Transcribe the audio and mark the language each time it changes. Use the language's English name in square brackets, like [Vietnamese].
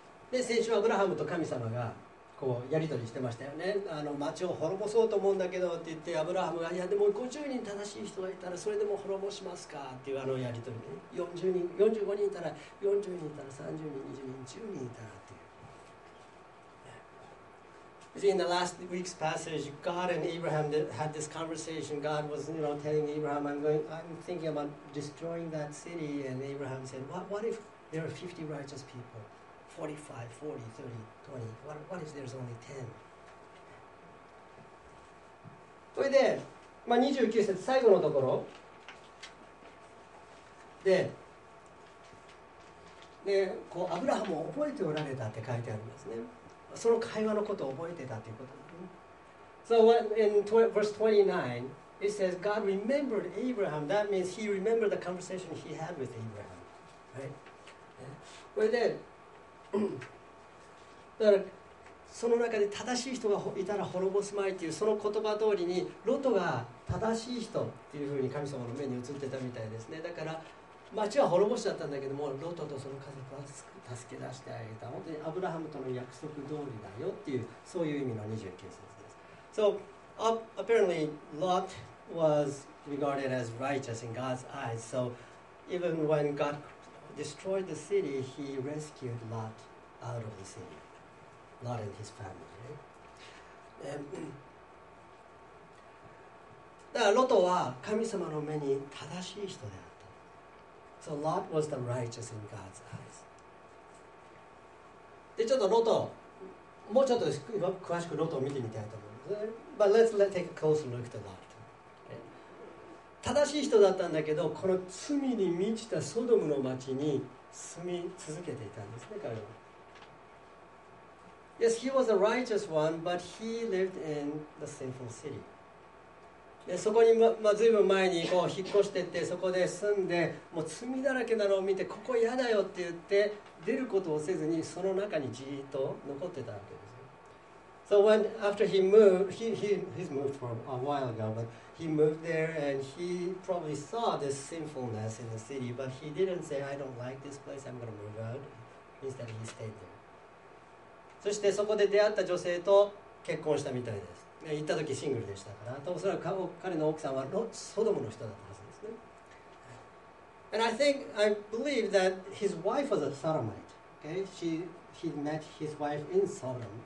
[Japanese] で、先週アブラハムと神様がこうやり取りしてましたよね。あの町を滅ぼそうと思うんだけどって言って、アブラハムが、いやでも50人正しい人がいたらそれでも滅ぼしますかっていう、あのやり取りね。 40人、45人いたら、40人いたら、30人、20人、10人いたらっていう。 [English] In the last week's passage, God and Abraham had this conversation. God was, you know, telling Abraham, I'm thinking about destroying that city. And Abraham said, what if there are 50 righteous people? 45, 40, 30, 20. What if there's only 10? [Japanese] それで、まあ、29節最後のところで、でこうアブラハムを覚えておられたって書いてあるんですね。その会話のことを覚えてたということですね。 [English] So in verse 29, it says, God remembered Abraham. That means he remembered the conversation he had with Abraham. Right? [Japanese] それで、だからその中で正しい人がいたら滅ぼすまいっていう、その言葉通りにロトが正しい人っていうふうに神様の目に映ってたみたいですね。だから町は滅ぼしちゃったんだけども、ロトとその家族は助け出してあげた。本当にアブラハムとの約束通りだよっていう、そういう意味の29節です。 [English] So apparently Lot was regarded as righteous in God's eyes. So even when GodDestroyed the city, he rescued Lot out of the city. Lot and his family. [Japanese] だからロトは神様の目に正しい人であった。 [English] So Lot was the righteous in God's eyes. [Japanese] で、ちょっとロト、もうちょっと詳しくロトを見てみたいと思うんですね。 [English] But let's take a closer look to Lot. [Japanese] 正しい人だったんだけど、この罪に満ちたソドムの町に住み続けていたんですね、彼は。 [English] Yes, he was a righteous one, but he lived in the sinful city. [Japanese] で、そこに随分前にこう引っ越してって、そこで住んで、もう罪だらけなのを見て、ここ嫌だよって言って、出ることをせずに、その中にじーっと残ってたわけです。 [English] So when after he moved, he's moved for a while ago, but he moved there and he probably saw this sinfulness in the city, but he didn't say, I don't like this place, I'm going to move out. Instead, he stayed there. [Japanese] そしてそこで出会った女性と結婚したみたいです。行った時シングルでしたから、おそらく彼の奥さんはソドムの人だったはずですね。 [English] And I believe that his wife was a Sodomite. Okay? He met his wife in Sodom.